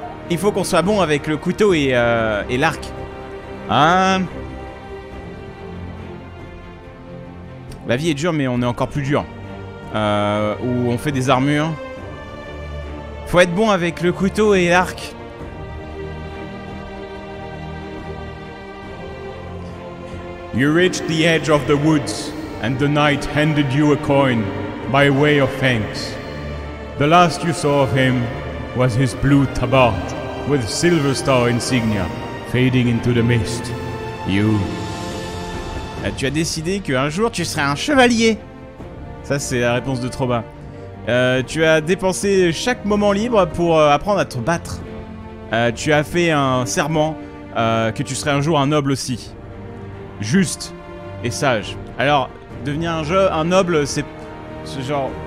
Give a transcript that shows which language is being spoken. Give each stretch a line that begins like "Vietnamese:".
French: Il faut qu'on soit bon avec le couteau et l'arc. Hein? La vie est dure, mais on est encore plus dur. Où on fait des armures. Faut être bon avec le couteau et l'arc.
English: You reached the edge of the woods, and the knight handed you a coin by way of thanks. The last you saw of him was his blue tabard with silver star insignia fading into the mist. You.
French: Tu as décidé qu'un jour tu serais un chevalier. Ça, c'est la réponse de Troba. Tu as dépensé chaque moment libre pour apprendre à te battre. Tu as fait un serment que tu serais un jour un noble aussi. Juste et sage. Alors, devenir un noble, c'est ce genre.